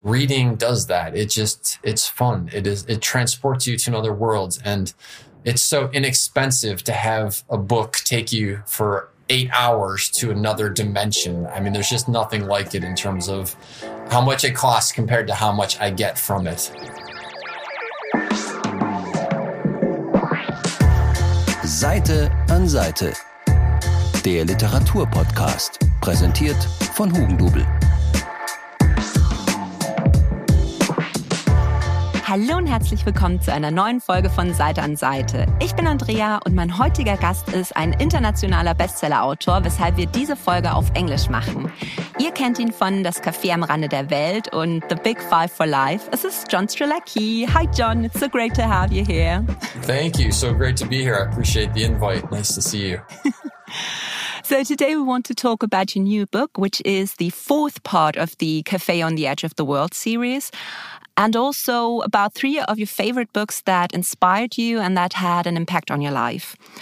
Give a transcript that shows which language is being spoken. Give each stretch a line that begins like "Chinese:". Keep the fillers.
English: reading does that it just it's fun it is it transports you to another world and it's so inexpensive to have a book take you for eight hours to another dimension i mean there's just nothing like it in terms of how much it costs compared to how much i get from it
German: seite an seite der literaturpodcast präsentiert von hugendubel Hallo und herzlich willkommen zu einer neuen Folge von Seite an Seite. Ich bin Andrea und mein heutiger Gast ist ein internationaler Bestseller-Autor, weshalb wir diese Folge auf Englisch machen. Ihr kennt ihn von Das Café am Rande der Welt und The Big Five for Life. Es ist John Strelacki.
English: Hi John, it's so great to have you here. Thank you, so great to be here. I appreciate the invite. Nice to see you. so today we want to talk about your new book, which is the fourth part of the Café on the Edge of the World series. and also about three of your favorite books that inspired you and that had an impact on your life.